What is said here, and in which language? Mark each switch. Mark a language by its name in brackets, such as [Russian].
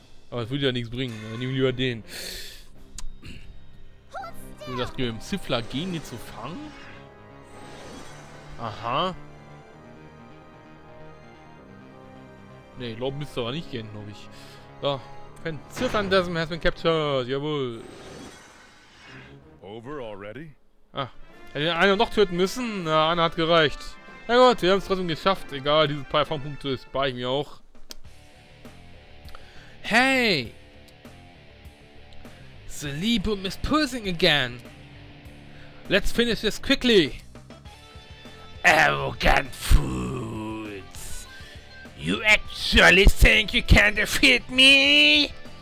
[German] Aber es würde ja nichts bringen. Dann nehme ich lieber den. Würde das mit dem Ziffler gehen, den zu fangen? Aha. Nee, ich glaube, müsste aber nicht gehen, glaube ich. So. Ein [English] Ziffern-Dasm has been captured. [German] Jawohl. [English] Over already? Ah. [German] Hätte den einen noch töten müssen? Na, einer hat gereicht. Na gut, wir haben es trotzdem geschafft. Egal, diese paar Erfahrungspunkte spare ich mir auch. Hey! [English] The Libum is pulsing again! Let's finish this quickly! Arrogant fools! You actually think you can defeat me?